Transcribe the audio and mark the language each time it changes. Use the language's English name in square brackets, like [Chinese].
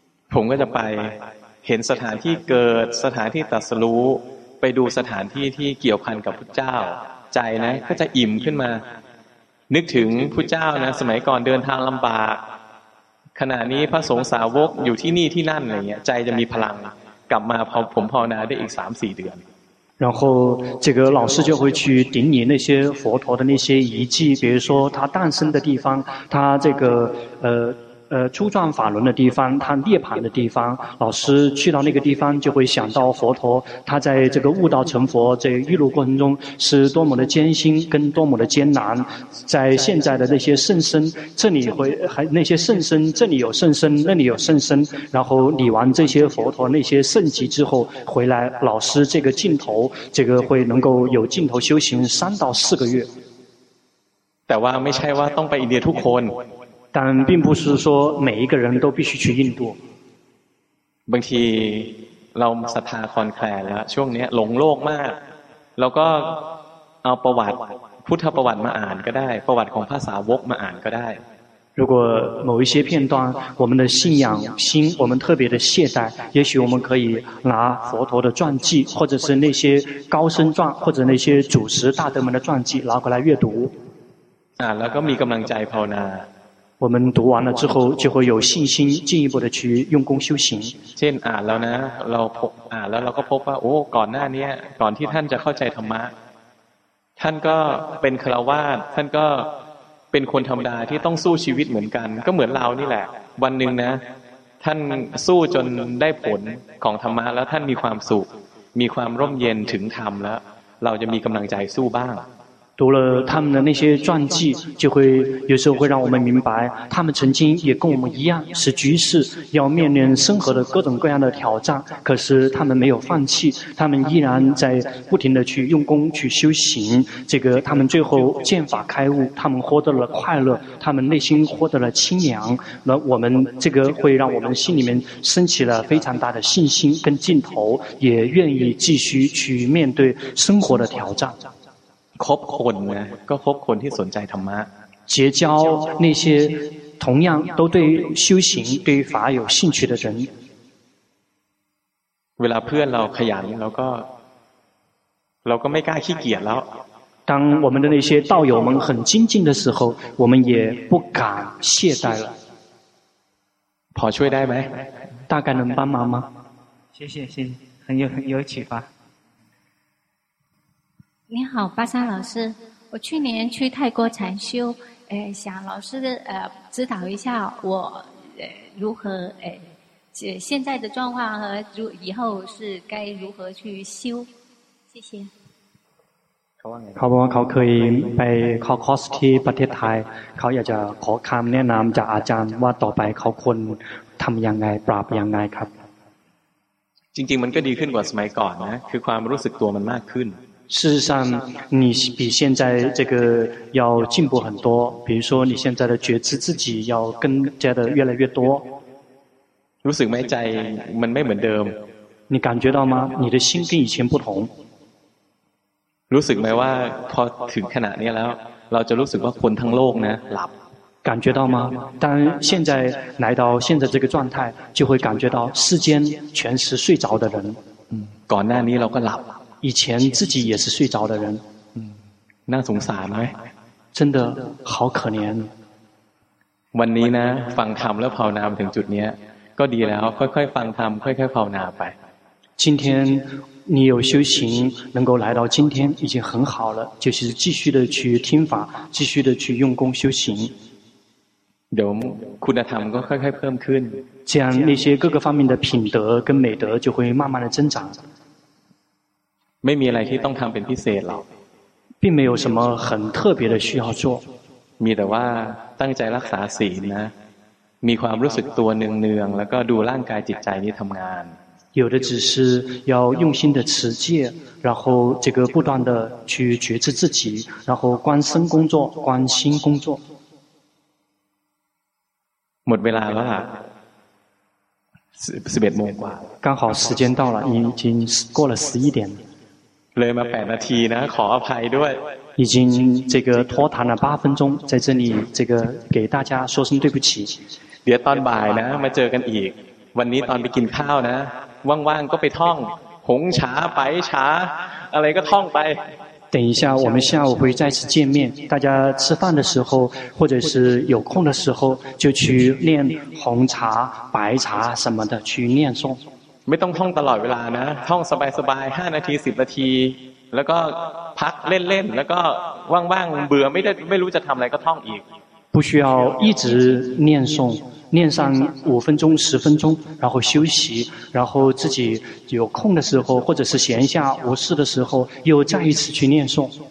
[Thai] ผมก็จะไปเห็นสถานที่เกิดสถานที่ตรัสรู้ไปดูสถานที่ที่เกี่ยวพันกับพุทธเจ้าใจนะก็จะอิ่มขึ้นมานึกถึงพุทธเจ้านะสมัยก่อนเดินทางลำบากขณะนี้พระสงฆ์สาวกอยู่ที่นี่ที่นั่นอะไรเงี้ยใจจะมีพลังกลับมาพอผมภาวนาได้อีก 3-4 เดือน [Chinese] 然后这个老师就会去顶礼那些佛陀的那些遗迹比如说他诞生的地方他这个初转法轮的地方他涅槃的地方老师去到那个地方就会想到佛陀他在这个悟道成佛这一路过程中是多么的艰辛跟多么的艰难在现在的那些圣僧这里会还那些圣僧这里有圣僧那里有圣僧然后礼完这些佛陀那些圣籍之后回来老师这个尽头这个会能够有尽头修行3到4个月但是没猜到东北一点突破但并不是说每一个人都必须去印度。 [Thai] บางทีเราศรัทธาคลอนแคลนแล้วช่วงนี้หลงโลกมากเราก็เอาประวัติพุทธประวัติมาอ่านก็ได้ประวัติของพระสาวกมาอ่านก็ได้ [Chinese] 如果某一些片段我们的信仰心我们特别的懈怠也许我们可以拿佛陀的传记或者是那些高僧传或者那些祖师大德们的传记拿过来阅读 [Thai] 啊แล้วก็มีกำลังใจภาวนา [Chinese] 我们读完了之后就会有信心进一步的去用功修行 [Thai] เช่นอ่านแล้วนะเราพบอ่านแล้วเราก็พบว่าโอ้ก่อนหน้านี้ก่อนที่ท่านจะเข้าใจธรรมะท่านก็เป็นคฤหัสถ์ท่านก็เป็นคนธรรมดาที่ต้องสู้ชีวิตเหมือนกันก็เหมือนเรานี่แหละวันหนึ่งนะท่านสู้จนได้ผลของธรรมะแล้วท่านมีความสุขมีความร่มเย็นถึงธรรมแล้วเราจะมีกำลังใจสู้บ้าง [Chinese] 读了他们的那些传记就会有时候会让我们明白他们曾经也跟我们一样是居士要面临生活的各种各样的挑战可是他们没有放弃他们依然在不停地去用功去修行这个他们最后见法开悟他们获得了快乐他们内心获得了清凉那我们这个会让我们心里面升起了非常大的信心跟劲头也愿意继续去面对生活的挑战 [Thai] คบคนนะก็คบคนที่สนใจธรรมะ [Chinese] 结交那些同样都对修行对法有兴趣的人 [Thai] เวลาเพื่อนเราขยันเราก็ไม่กล้าขี้เกียจแล้ว [Chinese] 当我们的那些道友们很精进的时候我们也不敢懈怠了 [Thai] พอช่วยได้ไหม [Chinese] 大概能帮忙吗谢谢很有启发你好巴沙老师我去年去泰国禅修想老师指导一下我如何现在的状况和以后是该如何去修谢谢 [Thai] เขาบอกว่าเขาเคยไปขอคอร์สที่ประเทศไทยเขาอยากจะขอคำแนะนำจากอาจารย์ว่าต่อไปเขาควรทำยังไงปรับยังไงครับ จริงๆมันก็ดีขึ้นกว่าสมัยก่อนนะคือความรู้สึกตัวมันมากขึ้น [Chinese] 事实上你比现在这个要进步很多比如说你现在的觉知自己要更加的越来越多 [Thai] รู้สึกไหมใจมันไม่เหมือนเดิม [Chinese] 你感觉到吗你的心跟以前不同 [Thai] รู้สึกไหมว่าพอถึงขณะนี้แล้วเราจะรู้สึกว่าคนทั้งโลกนะหลับ [Chinese] 感觉到吗？但现在来到现在这个状态，就会感觉到世间全是睡着的人。 [Thai] 嗯，ก่อนหน้านี้เราก็หลับ。 [Chinese] 以前自己也是睡着的人。 [Thai] 嗯，น่าสงสารไหม？ [Chinese] 真的好可怜。 [Thai] วันนี้นะฟังธรรมแล้วภาวนาถึงจุดนี้ก็ดีแล้วค่อยๆฟังธรรมค่อยๆภาวนาไป。 [Chinese] 今天你有修行，能够来到今天已经很好了，就是继续的去听法，继续的去用功修行。 [Thai] เดี๋ยวคุณธรรมก็ค่อยๆเพิ่มขึ้น [Chinese] 这样那些各个方面的品德跟美德就会慢慢的增长 [Thai] ไม่มีอะไรที่ต้องทำเป็นพิเศษหรอก [Chinese] 并没有什么很特别的需要做 [Thai] มีแต่ว่าตั้งใจรักษาศีลนะมีความรู้สึกตัวเนืองๆแล้วก็ดูร่างกายจิตใจนี้ทำงาน [Chinese] 有的只是要用心的持戒然后这个不断的去觉知自己然后观身工作观心工作 [Thai] หมดเวลาแล้วล่ะ11โมงกว่า [Chinese] 刚好时间到了已经过了11点 [Thai] เลยมา8นาทีนะขออภัยด้วย [Chinese] 已经这个拖堂了8分钟在这里这个给大家说声对不起 [Thai] เดี๋ยวตอนบ่ายนะมาเจอกันอีกวันนี้ตอนไปกินข้าวนะว่างๆก็ไปท่องหงฉาไปฉาอะไรก็ท่องไป [Chinese] 等一下我们下午会再次见面大家吃饭的时候或者是有空的时候就去念红茶白茶什么的去念诵 [Thai] ไม่ต้องท่องตลอดเวลานะท่องสบายๆ5นาที10นาทีแล้วก็พักเล่นๆแล้วก็ว่างๆเบื่อไม่รู้จะทำอะไรก็ท่องอีก [Chinese] 不需要一直念诵念上五分钟十分钟然后休息然后自己有空的时候或者是闲下无事的时候又再一次去念诵